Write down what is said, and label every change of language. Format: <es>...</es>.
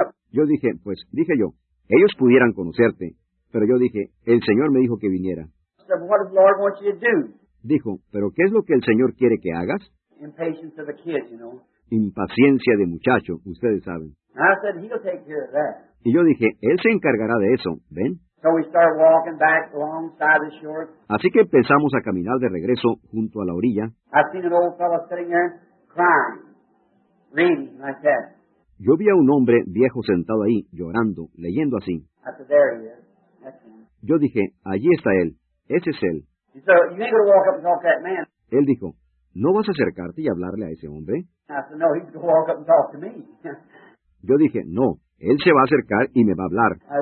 <es>Yo dije, pues, dije yo, ellos pudieran conocerte. Pero yo dije, el Señor me dijo que viniera.</es> <en>I said, what does the Lord want you to do?</en> <es>Dijo, pero ¿qué es lo que el Señor quiere que hagas?</es> <en>Impatience of the kids, you know.</en> <es>impaciencia de muchacho, ustedes saben.</es> <en>I said, he'll take care of that.</en> <es>Y yo dije, él se encargará de eso, ¿ven?</es> <en>So we start walking back alongside the shore.</en> <es>Así que empezamos a caminar de regreso junto a la orilla.</es> <en>I seen an old fellow sitting there crying, reading like that.</en> <es>Yo vi a un hombre viejo sentado ahí, llorando, leyendo así.</es> <en>I said, there he is. That's him.</en> <es>Yo dije, allí está él. Ese es él.</es> <en>So, you ain't gonna walk up and talk to that man.</en> <es>Él dijo, ¿no vas a acercarte y hablarle a ese hombre?</es> <en>I said, no, he's gonna walk up and talk to me.</en> <es>Yo dije, no, él se va a acercar y me va a hablar.</es>